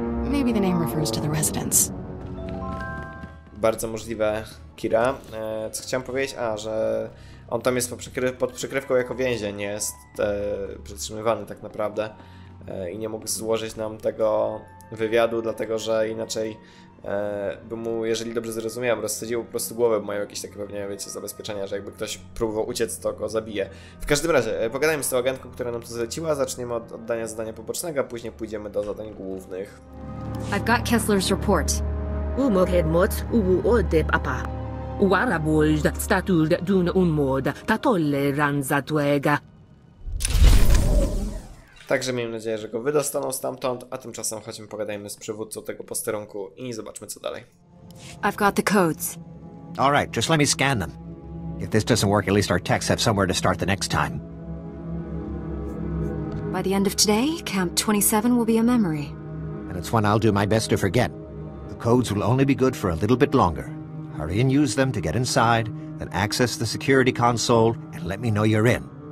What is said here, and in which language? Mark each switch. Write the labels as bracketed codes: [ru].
[en] Maybe the name refers to the residence. [pl] Bardzo możliwe, Kira. Co chciałem powiedzieć? A, że on tam jest pod przykrywką jako więzień, jest przetrzymywany tak naprawdę. I nie mógł złożyć nam tego wywiadu, dlatego że inaczej by mu, jeżeli dobrze zrozumiałem, rozsadził po prostu głowę, bo mają jakieś takie pewnie, wiecie, zabezpieczenia, że jakby ktoś próbował uciec, to go zabije. W każdym razie, pogadajmy z tą agentką, która nam to zleciła, zaczniemy od oddania zadania pobocznego, a później pójdziemy do zadań głównych. [en] I've got Kessler's report. Umoked mot uwu odeb apa. Warabuld statuld dun unmod tatolle ranzatuega. [pl] Także miejmy nadzieję, że go wydostaną stamtąd, a tymczasem chodźmy pogadajmy z przywódcą tego posterunku i zobaczmy co dalej. [en] I've got the codes. All right, just let me scan them. If this doesn't work, at least our techs have somewhere to start the next time. By the end of today, Camp 27 will be a memory. And it's one I'll do my best to forget. The codes will only be good for a little bit longer. Hurry and use them to get inside, then access the security console and let me know you're in.